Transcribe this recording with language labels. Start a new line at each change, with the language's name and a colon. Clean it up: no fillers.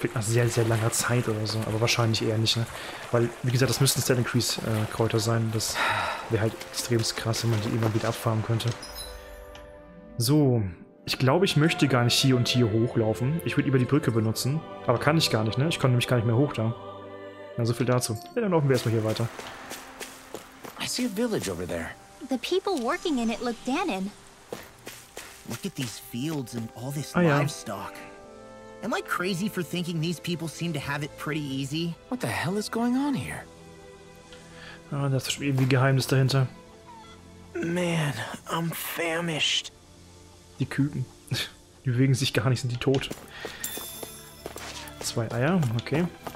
German: Vielleicht nach sehr, sehr langer Zeit oder so. Aber wahrscheinlich eher nicht, ne? Weil, wie gesagt, das müssten Stat Increase Kräuter sein. Das wäre halt extrem krass, wenn man die irgendwann wieder abfarmen könnte. So, ich glaube, ich möchte gar nicht hier und hier hochlaufen. Ich würde über die Brücke benutzen. Aber kann ich gar nicht, ne? Ich konnte nämlich gar nicht mehr hoch da. Na, so viel dazu. Ja, dann laufen wir erstmal hier weiter.
English: I see a village over there. The people working in it look Danin. Look at these fields and all this livestock. Am I crazy for thinking these people seem to have it pretty easy? What the hell is going on here?
German: Ah, das ist irgendwie ein Geheimnis dahinter.
English: Man, I'm famished.
German: Die Küken. Die bewegen sich gar nicht, sind die tot. 2 Eier, okay.